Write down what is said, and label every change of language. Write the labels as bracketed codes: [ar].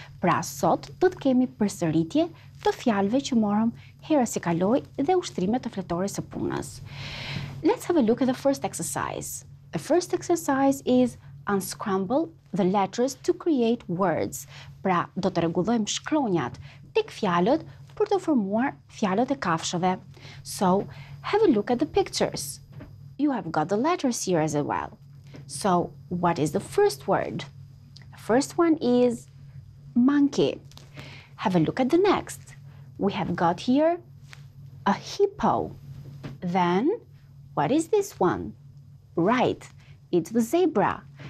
[sq] Pra sot, do të kemi përsëritje të fjalëve që morëm herë si kaloi dhe ushtrime të fletore së punës. [en] Let's have a look at the first exercise. The first exercise is unscramble the letters to create words. [sq] Pra, do të rregullojmë shkronjat tek fjalët për të formuar fjalët e kafshëve. [en] So, have a look at the pictures. You have got the letters here as well. So, what is the first word? The first one is monkey. Have a look at the next. We have got here a hippo. Then, what is this one? Right, it's the zebra.